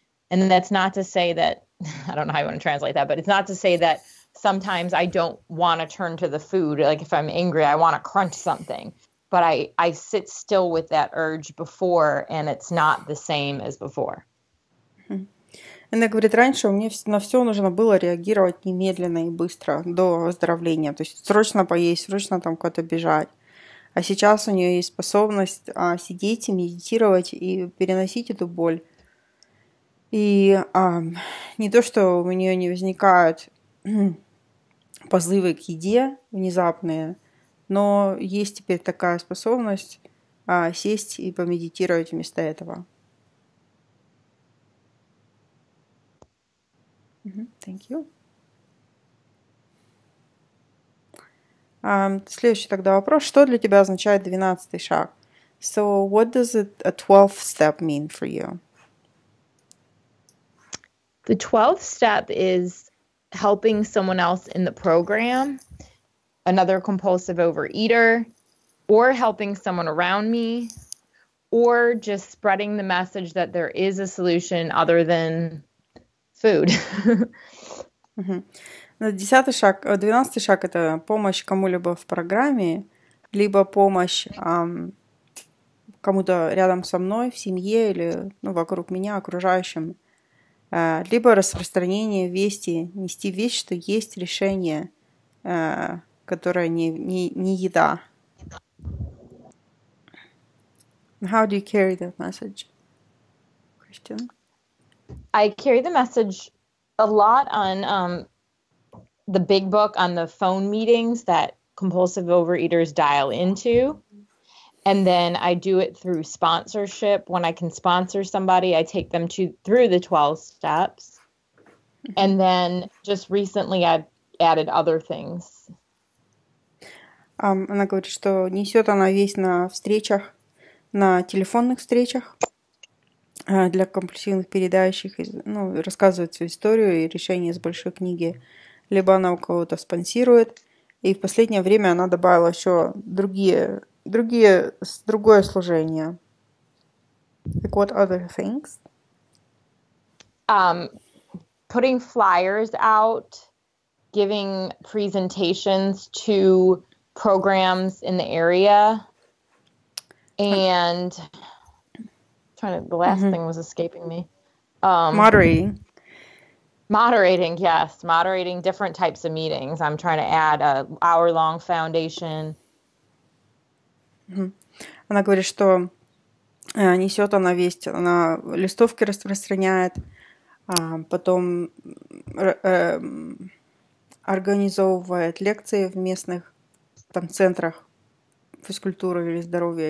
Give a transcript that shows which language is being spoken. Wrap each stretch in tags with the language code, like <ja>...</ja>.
<en>And that's not to say that, I don't know how you want to translate that, but it's not to say that sometimes I don't want to turn to the food. Like if I'm angry, I want to crunch something. But I sit still with that urge before, and it's not the same as before.</en> <ru>Она говорит, раньше мне на все нужно было реагировать немедленно и быстро до выздоровления. То есть срочно поесть, срочно там куда-то бежать. А сейчас у нее есть способность сидеть и медитировать и переносить эту боль. И не то, что у нее не возникают позывы к еде внезапные, но есть теперь такая способность сесть и помедитировать вместо этого.</ru> <en>Thank you.</en> <ru>Следующий тогда вопрос. Что для тебя означает 12-й шаг?</ru> <en>So what does a 12th step mean for you? The 12th step is helping someone else in the program, another compulsive overeater, or helping someone around me, or just spreading the message that there is a solution other than food.</en> <ru>Десятый шаг, двенадцатый шаг — это помощь кому-либо в программе, либо помощь кому-то рядом со мной, в семье или ну, вокруг меня, окружающим, либо распространение вести, нести весть, что есть решение, которое не еда.</ru> <en>How do you carry that message, Christian? I carry the message a lot on the big book on the phone meetings that compulsive overeaters dial into. And then I do it through sponsorship. When I can sponsor somebody, I take them to through the 12 steps. And then just recently I've added other things.</en> <ru>Она говорит, что несет она весь на встречах, на телефонных встречах для компульсивных передающих, ну, рассказывает свою историю и решение из большой книги, либо она у кого-то спонсирует. И в последнее время она добавила еще другое служение.</ru> <en>Like what other things? Putting flyers out, giving presentations to programs in the area, and the last thing was escaping me. Moderating, yes. Moderating different types of meetings. I'm trying to add an hour-long foundation.</en> <ru>Она говорит, что несет она весть, она листовки распространяет, потом организовывает лекции в местных там центрах физкультуры или здоровья.</ru>